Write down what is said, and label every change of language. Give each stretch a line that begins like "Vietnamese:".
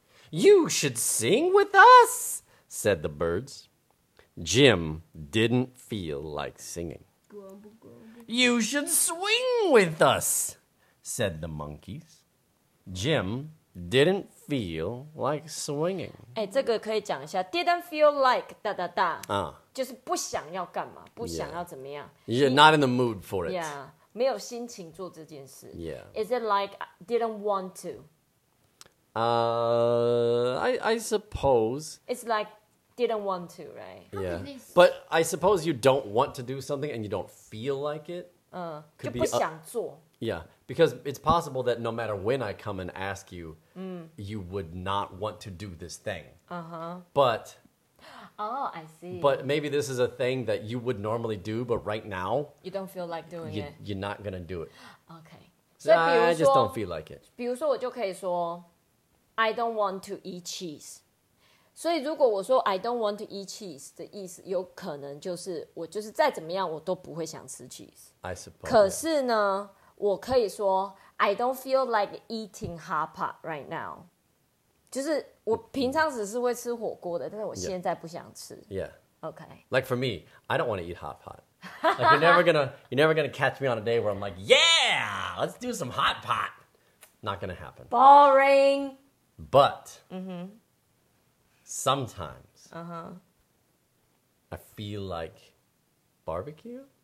English: You should sing with us, said the birds. Jim didn't feel like singing. You should swing with us, said the monkeys. Jim didn't feel like swinging.
Chinese: 欸,这个可以讲一下。
English: Didn't feel like, 哒哒哒。
Chinese: 就是不想要干嘛,不想要怎么样。
English: You're not in the mood for it.
Chinese: Yeah, 没有心情做这件事。
English: Yeah. Is it like, didn't want to? I suppose. It's like, didn't want to, right? Yeah. But I suppose you don't want to do something and you don't feel like it.
Chinese: 就不想做。
English: Yeah, because it's possible that no matter when I come and ask you, you would not want to do this thing. Uh-huh. But... Oh, I see. But maybe this is a thing that you would normally do, but right now... You don't feel like doing it. You're not going to do it. Okay. So, I just don't feel like it.
Chinese: 比如说我就可以说,
English: I don't want to eat cheese.
Chinese: 所以如果我说
English: I don't want to eat cheese
Chinese: 的意思有可能就是我就是再怎么样我都不会想吃 cheese.
English: I suppose.
Chinese: 可是呢我可以说
English: I don't feel like eating hot pot right now.
Chinese: 就是我平常只是会吃火锅的但是我现在不想吃。
English: Yeah. Okay. Like for me, I don't want to eat hot pot. Like you're never gonna catch me on a day where I'm like, yeah, let's do some hot pot. Not gonna happen. Boring. But sometimes I feel like barbecue.